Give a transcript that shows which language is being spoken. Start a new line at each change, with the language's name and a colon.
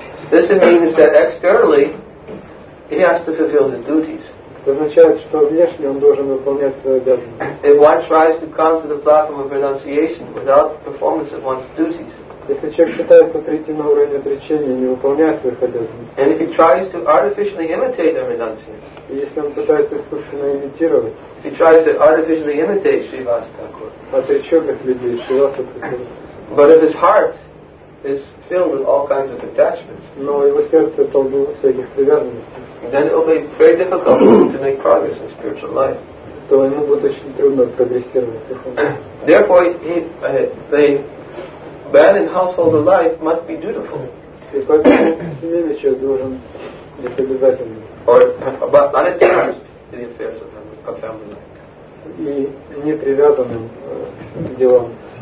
English: This means that externally he has to fulfill his duties.
Russian: Означает, что внешне он должен выполнять свои обязанности.
English: If one tries to come to the platform of renunciation without performance of one's duties.
Russian: Если человек пытается прийти на уровень отречения, не выполняя своих обязанностей.
English: And if he tries to artificially imitate a renunciant.
Russian: Если он пытается искусственно имитировать.
English: If he tries to artificially imitate Shrivastava.
Russian: Отреченных людей, Shrivastava.
English: But if his heart is filled with all kinds of attachments.
Russian: Но его сердце полно всяких привязанностей.
English: Then it will be very difficult to make progress in spiritual life.
Russian: То ему будет очень трудно прогрессировать.
English: Therefore, the man in household life must be dutiful.
Russian: И поэтому семейный человек должен быть обязательным.
English: Or about unattached to the affairs of family life.
Russian: И не привязанным к делам.